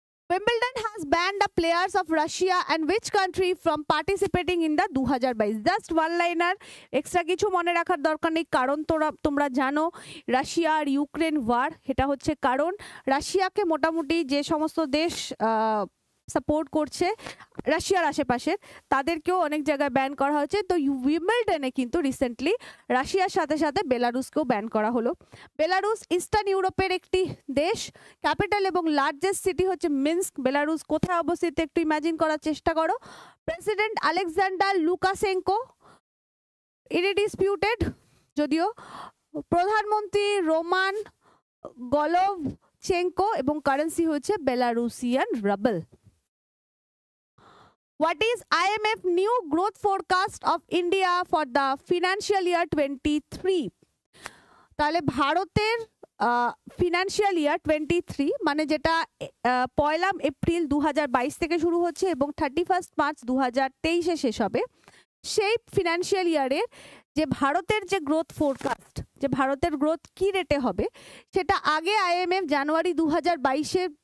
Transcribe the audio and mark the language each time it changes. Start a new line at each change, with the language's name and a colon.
English: Wimbledon has banned the players of Russia and which country from participating in the 2022? Just one liner,
Bangla: extra কিছু মনে রাখার দরকার নেই, কারণ তোমরা জানো রাশিয়া আর ইউক্রেন ওয়ার, এটা হচ্ছে কারণ। রাশিয়াকে মোটামুটি যে সমস্ত দেশ সাপোর্ট করছে রাশিয়ার আশেপাশে, তাদেরকেও অনেক জায়গায় ব্যান করা হয়েছে। তো উইম্বলডনে কিন্তু রিসেন্টলি রাশিয়ার সাথে সাথে বেলারুসকেও ব্যান করা হলো। বেলারুস ইস্টার্ন ইউরোপের একটি দেশ, ক্যাপিটাল এবং লার্জেস্ট সিটি হচ্ছে মিনস্ক। বেলারুস কোথায় অবস্থিত একটু ইমাজিন করার চেষ্টা করো। প্রেসিডেন্ট আলেকজান্ডার লুকাসেঙ্কো ইনডিসপিউটেড, যদিও প্রধানমন্ত্রী রোমান গলোভচেঙ্কো, এবং কারেন্সি হচ্ছে বেলারুসিয়ান rubble.
English: What is IMF new growth forecast of India for the financial year 23?
Bangla: তাহলে ভারতের ফিনান্সিয়াল ইয়ার 23, মানে যেটা পয়লা এপ্রিল 2022 থেকে শুরু হচ্ছে এবং 31st মার্চ 2023 শেষ হবে, সেই ফিনান্সিয়াল ইয়ারের যে ভারতের যে গ্রোথ ফোরকাস্ট, যে ভারতের গ্রোথ কী রেটে হবে, সেটা আগে IMF জানুয়ারি 2022